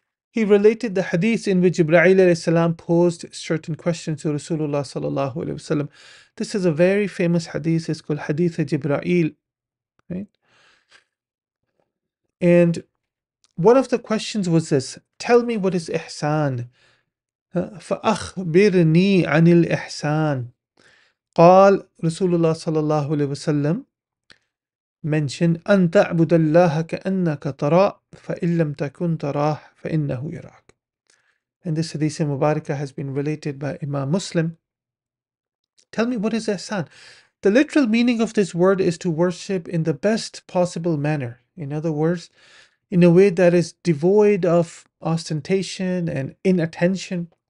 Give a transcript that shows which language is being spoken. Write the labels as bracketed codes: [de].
[en] He related the hadith in which Ibrahim alayhi salam posed certain questions to Rasulullah sallallahu alayhi wasallam. This is a very famous hadith. It's called Hadith of Jibra'il, right? And one of the questions was this: tell me what is ihsan. [ar] فَأَخْبِرْنِي عَنِ الْإِحْسَانِ. قال رسول الله صلى الله عليه وسلم [en] mention [ar] أن تعبد الله كأنك ترى فإن لم تكن تراه فإنه يراك. [en] And this hadith Mubarakah has been related by Imam Muslim. Tell me, what is ihsan? The literal meaning of this word is to worship in the best possible manner. In other words, in a way that is devoid of ostentation and inattention.